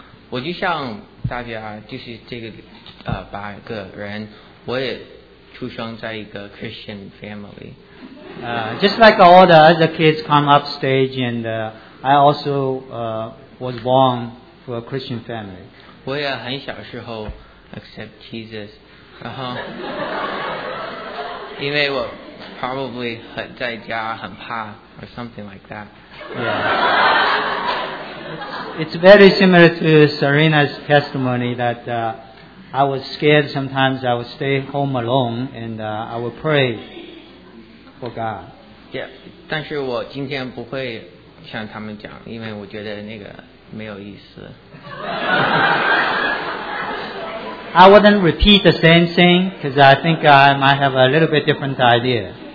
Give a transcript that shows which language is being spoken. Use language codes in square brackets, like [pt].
[zh] 我就像大家，就是这个八个人，我也。出生在一个 [en] Christian family. Just like all the other kids come up stage, and I also was born for a Christian family. [zh] 我也很小时候 [en] accept Jesus, [zh] 然后因为我 [en] probably [zh] 很在家很怕 [en] or something like that. Yeah. It's very similar to Serena's testimony that. I was scared sometimes I would stay home alone and I would pray for God. [zh] Yeah, 但是我今天不会向他们讲，因为我觉得那个没有意思。 [en] I wouldn't repeat the same thing because I think I might have a little bit different idea.